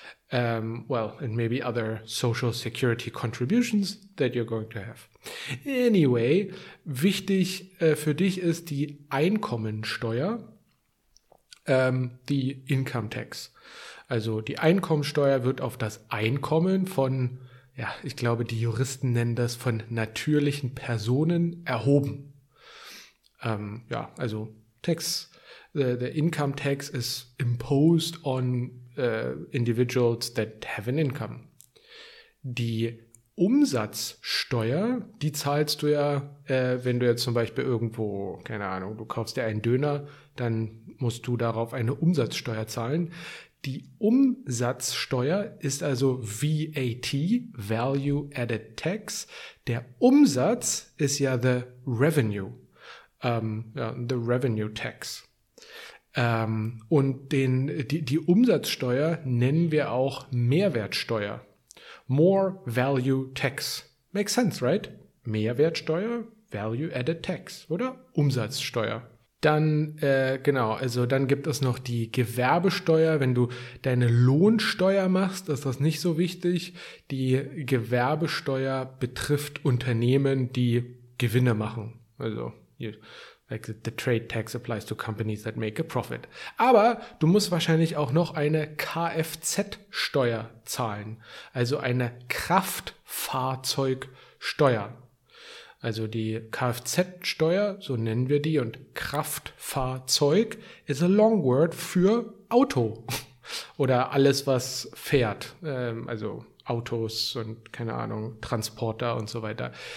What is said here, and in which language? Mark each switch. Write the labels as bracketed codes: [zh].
[en] Well, and maybe other social security contributions that you're going to have. [de] Anyway, wichtig für dich ist die Einkommensteuer, die Income Tax. Also die Einkommensteuer wird auf das Einkommen von, ja, ich glaube, die Juristen nennen das von natürlichen Personen erhoben. Ja, also [en] Tax, the Income Tax is imposed on individuals that have an income. [de] Die Umsatzsteuer, die zahlst du ja, wenn du jetzt zum Beispiel irgendwo, keine Ahnung, du kaufst dir einen Döner, dann musst du darauf eine Umsatzsteuer zahlen. Die Umsatzsteuer ist also VAT, Value Added Tax. Der Umsatz ist ja [en] the Revenue, the Revenue Tax. [de] Und die Umsatzsteuer nennen wir auch Mehrwertsteuer. [en] More Value Tax. Makes sense, right? Mehrwertsteuer, Value Added Tax, oder? Umsatzsteuer. [de] Genau, also dann gibt es noch die Gewerbesteuer. Wenn du deine Lohnsteuer machst, ist das nicht so wichtig. Die Gewerbesteuer betrifft Unternehmen, die Gewinne machen. [en] Also like the trade tax applies to companies that make a profit. [de] Aber du musst wahrscheinlich auch noch eine Kfz-Steuer zahlen, also eine Kraftfahrzeugsteuer. Also die Kfz-Steuer, so nennen wir die, und Kraftfahrzeug [en] is a long word [de] für Auto oder alles, was fährt, also Autos und, keine Ahnung, Transporter und so weiter.